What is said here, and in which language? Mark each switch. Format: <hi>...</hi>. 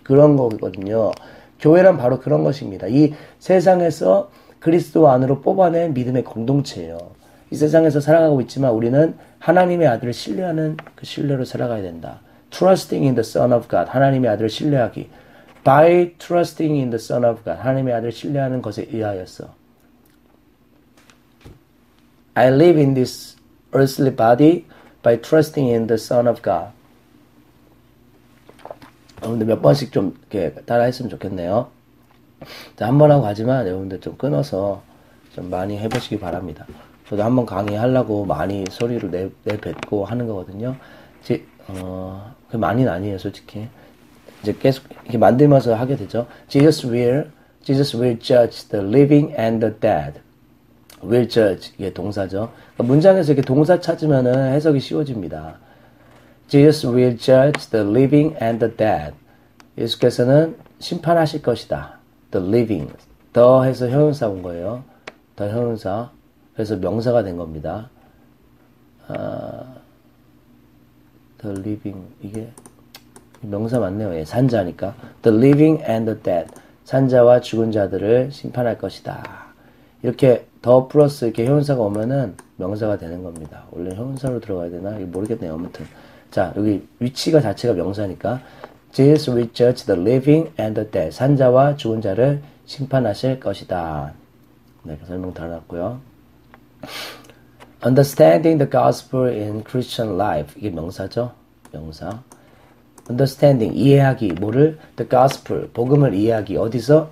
<ko>그런 거거든요. 교회란 바로 그런 것입니다. 이 세상에서 그리스도 안으로 뽑아낸 믿음의 공동체예요. 이 세상에서 살아가고 있지만 우리는 하나님의 아들을 신뢰하는 그 신뢰로 살아가야 된다.</ko> <en>Trusting in the Son of God.</en> <ko>하나님의 아들을 신뢰하기.</ko> <en>By trusting in the Son of God.</en> <ko>하나님의 아들을 신뢰하는 것에 의하였어.</ko> <en>I live in this earthly body by trusting in the Son of God.</en> <ko>여러분들 몇 번씩 좀 이렇게 따라 했으면 좋겠네요. 자, 한번 하고 가지만 여러분들 좀 끊어서 좀 많이 해보시기 바랍니다. 저도 한번 강의하려고 많이 소리를 내뱉고 하는 거거든요. 그 많이는 아니에요, 솔직히. 이제 계속 이렇게 만들면서 하게 되죠.</ko> <en>Jesus will judge the living and the dead.</en> <ko>Will judge, 이게 동사죠. 그러니까 문장에서 이렇게 동사 찾으면은 해석이 쉬워집니다.</ko> <en>Jesus will judge the living and the dead.</en> <ko>예수께서는 심판하실 것이다. The living. The 해서 형용사 온 거예요. The 형용사. 그래서 명사가 된 겁니다.</ko> <en>The living,</en> <ko>이게 명사 맞네요. 예, 산자니까.</ko> <en>The living and the dead.</en> <ko>산자와 죽은 자들을 심판할 것이다. 이렇게 더 플러스 이렇게 형용사가 오면은 명사가 되는 겁니다. 원래 형용사로 들어가야 되나? 이거 모르겠네요. 아무튼. 자, 여기 위치가 자체가 명사니까.</ko> <en>Jesus will judge the living and the dead.</en> <ko>산자와 죽은 자를 심판하실 것이다. 네, 설명 다 놨고요.</ko> <en>Understanding the gospel in Christian life.</en> <ko>이게 명사죠? 명사. Understanding, 이해하기. 뭐를?</ko> <en>The gospel,</en> <ko>복음을 이해하기. 어디서?</ko>